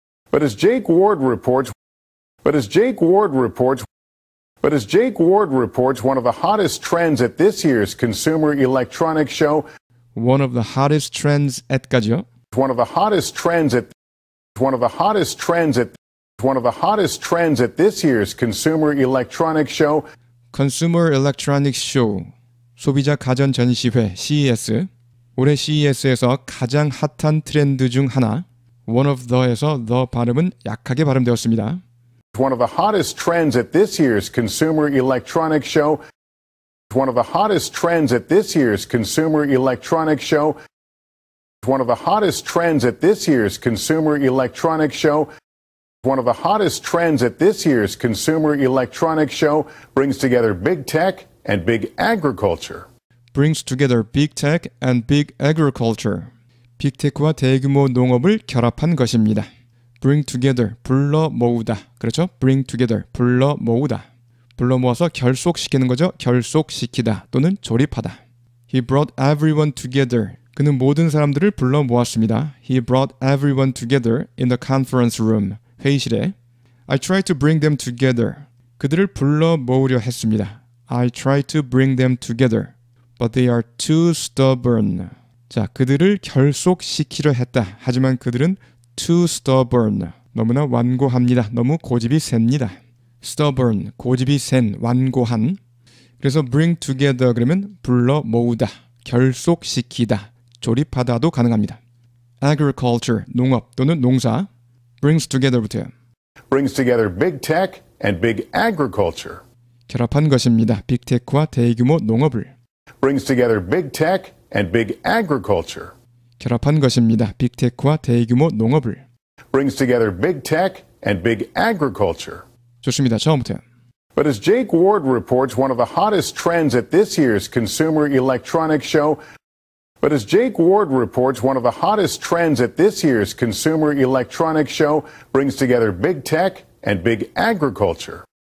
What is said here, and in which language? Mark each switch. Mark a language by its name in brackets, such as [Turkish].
[English] But as Jake Ward reports, but as Jake Ward reports, but as Jake Ward reports, one of the hottest trends at this year's Consumer Electronics Show. One of the hottest trends at [Korean] 까지요? [English] One of the hottest trends at. One of the hottest trends at. One of the hottest trends at this year's Consumer Electronics Show. Consumer Electronics Show. [Korean] 소비자 가전 전시회 CES. 올해 CES에서 가장 핫한 트렌드 중 하나. [English] One of the [Korean] 에서 the 발음은 약하게 발음되었습니다. [English] One of the hottest trends at this year's Consumer Electronics Show. One of the hottest trends at this year's Consumer Electronics Show. One of the hottest trends at this year's Consumer Electronics Show. One of the hottest trends at this year's Consumer Electronics Show brings together big tech and big agriculture. Brings together big tech and big agriculture. [Korean] 빅테크와 대규모 농업을 결합한 것입니다. Bring together, 불러 모으다. 그렇죠? Bring together, 불러 모으다. 불러 모아서 결속시키는 거죠. 결속시키다 또는 조립하다. [English] He brought everyone together. [Korean] 그는 모든 사람들을 불러 모았습니다. [English] He brought everyone together in the conference room. [Korean] 회의실에. [English] I tried to bring them together. [Korean] 그들을 불러 모으려 했습니다. [English] I tried to bring them together. But they are too stubborn. [Korean] 자, 그들을 결속시키려 했다. 하지만 그들은 [English] too stubborn. [Korean] 너무나 완고합니다. 너무 고집이 셉니다. stubborn, 고집이 센, 완고한. 그래서 bring together 그러면 불러 모으다, 결속시키다, 조립하다도 가능합니다. agriculture, 농업 또는 농사. brings together부터요. [English] brings together big tech and big agriculture. [Korean] 결합한 것입니다. 빅테크와 대규모 농업을. [English] brings together big tech and big agriculture. [Korean] 결합한 것입니다. 빅테크와 대규모 농업을. [English] brings together big tech and big agriculture. [Korean] 좋습니다. 처음부터요. [English] But as Jake Ward reports, one of the hottest trends at this year's Consumer Electronics Show. But as Jake Ward reports, one of the hottest trends at this year's Consumer Electronics Show brings together big tech and big agriculture.